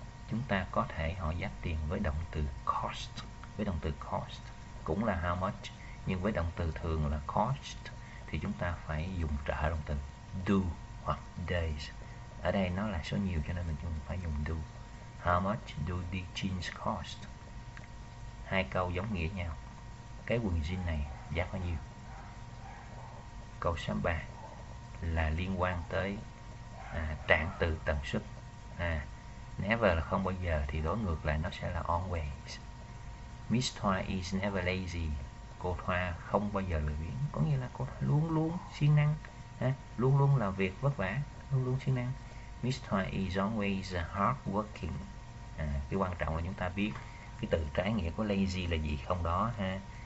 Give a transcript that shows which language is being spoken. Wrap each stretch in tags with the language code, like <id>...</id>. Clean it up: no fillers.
<vi>Chúng ta có thể hỏi giá tiền với động từ cost, với động từ cost cũng là how much, nhưng với động từ thường là cost thì chúng ta phải dùng trợ động từ do hoặc days. Ở đây nó là số nhiều cho nên mình phải dùng do.</vi> <en>How much do the jeans cost?</en> <vi>Hai câu giống nghĩa nhau, cái quần jean này giá bao nhiêu. Câu 63 là liên quan tới trạng từ tần suất. Never là không bao giờ, thì đối ngược lại nó sẽ là always.</vi> <en>Mr. is never lazy,</en> <vi>cô Thoa không bao giờ lười biếng, có nghĩa là cô Thoa luôn luôn siêng năng, ha? Luôn luôn làm việc vất vả, luôn luôn siêng năng.</vi> <en>Miss Thoa is always hard working.</en> <vi>À, cái quan trọng là chúng ta biết cái từ trái nghĩa của lazy là gì không đó ha.</vi>